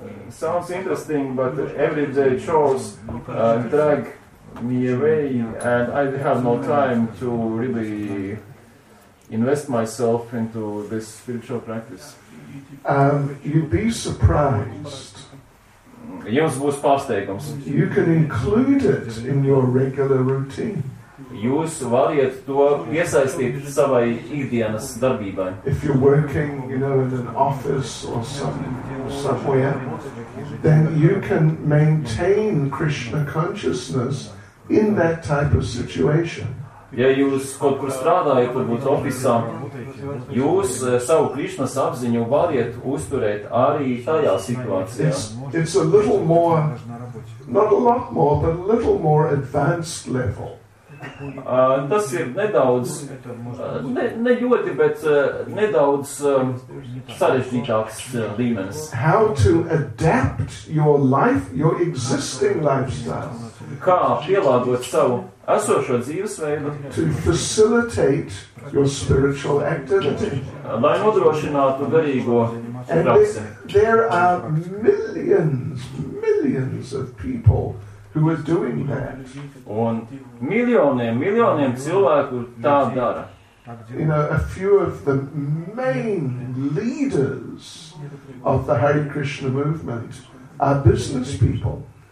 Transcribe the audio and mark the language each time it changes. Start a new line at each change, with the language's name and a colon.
English: Sounds interesting, but everyday chores drag me away, and I have no time to really invest myself into this spiritual practice. You'd be surprised.
Latvian: Jums būs pārsteigums.
English: You can include it in your regular routine.
Latvian: Jūs variet to iesaistīt savai ikdienas darbībai.
English: If you're working, you know, in an office or somewhere, then you can maintain Krishna consciousness in that type of situation.
Latvian: Ja jūs kaut kur strādājat, varbūt ofisā, jūs savu Krišnas apziņu variet uzturēt arī tajā situācijā.
English: It's a little more, not a lot more, but a little more advanced level.
Latvian: Tas ir nedaudz, ne ļoti, bet nedaudz sarežģītāks līmenis.
English: How to adapt your life, your existing lifestyle.
Latvian: Kā pielāgot savu esošo dzīvesveidu.
English: To facilitate your spiritual activity.
Latvian: Lai nodrošinātu garīgo praksi.
English: There are millions of people who are doing that.
Latvian: Un miljoniem cilvēku tā dara.
English: You know, a few of the main leaders of the Hare Krishna movement are business people.